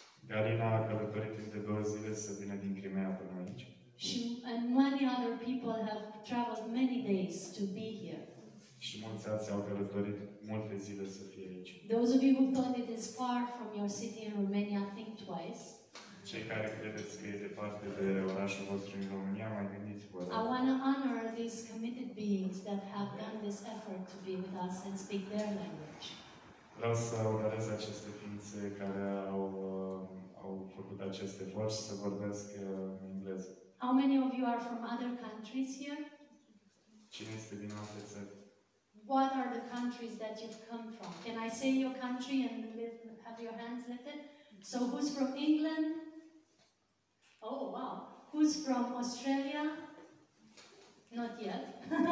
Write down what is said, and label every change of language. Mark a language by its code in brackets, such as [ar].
[ro] Galina a călătorit timp de 2 zile să vină din Crimea până aici. [en] She, and many other people have traveled many days to be here. [ro] Și mulți alții au călătorit multe zile să fie aici. [en] Those of you who thought it is far from your city in Romania, think twice. [ro] Cei care credeți că e departe de orașul vostru în România, mai gândiți-vă. [en] I want to honor these committed beings that have done this effort to be with us and speak their language. [ro] Vreau să onorez aceste ființe care au făcut acest efort să vorbesc în engleză. [en] How many of you are from other countries here? [ro] Cine este din alte țări? [en] What are the countries that you've come from? Can I say your country and have your hands lifted? So who's from England? Oh wow. Who's from Australia? Not yet.